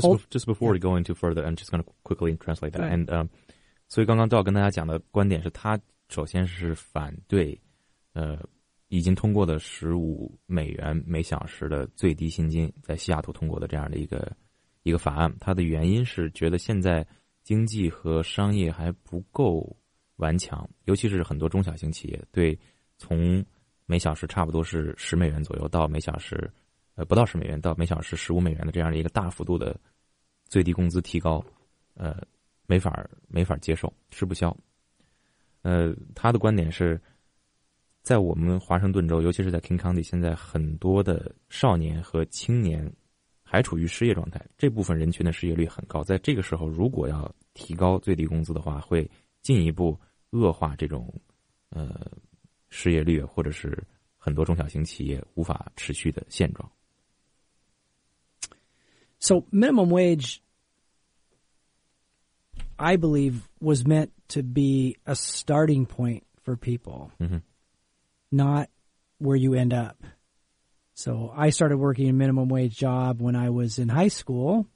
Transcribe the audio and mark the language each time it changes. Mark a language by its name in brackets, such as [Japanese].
[English] Just before we go into further, I'm just going to quickly translate that. [Chinese] And 所以刚刚 Doug 跟大家讲的观点是，他首先是反对，已经通过的$15每小时的最低薪金，在西雅图通过的这样的一个法案。他的原因是觉得现在经济和商业还不够顽强，尤其是很多中小型企业对从每小时差不多是$10左右到每小时。不到$10到每小时$15的这样的一个大幅度的最低工资提高，没法接受，吃不消。他的观点是，在我们华盛顿州，尤其是在 King County， 现在很多的少年和青年还处于失业状态，这部分人群的失业率很高，在这个时候如果要提高最低工资的话，会进一步恶化这种失业率，或者是很多中小型企业无法持续的现状。 [English] So minimum wage, I believe, was meant to be a starting point for people, not where you end up. So I started working a minimum wage job when I was in high school.